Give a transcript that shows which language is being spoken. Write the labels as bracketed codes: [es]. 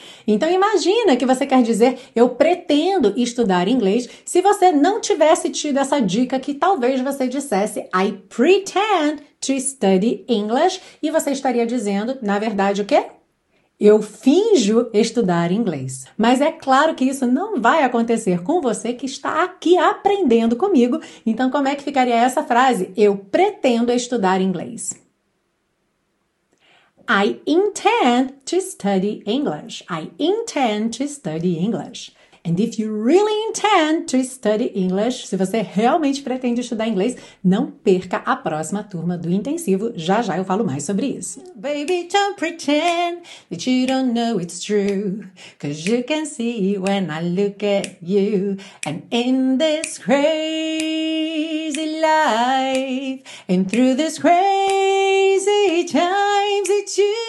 [pt] Então, imagina que você quer dizer, eu pretendo estudar inglês, se você não tivesse tido essa dica que talvez você dissesse, [en] I pretend to study English, [pt] e você estaria dizendo, na verdade, o quê? Eu finjo estudar inglês. Mas é claro que isso não vai acontecer com você que está aqui aprendendo comigo, então como é que ficaria essa frase? Eu pretendo estudar inglês. [en] I intend to study English. I intend to study English. And if you really intend to study English, [pt] se você realmente pretende estudar inglês, não perca a próxima turma do intensivo. Já já eu falo mais sobre isso. [en] Baby, don't pretend that you don't know it's true. 'Cause you can see when I look at you. And in this crazy life, and through this crazy times, it's you.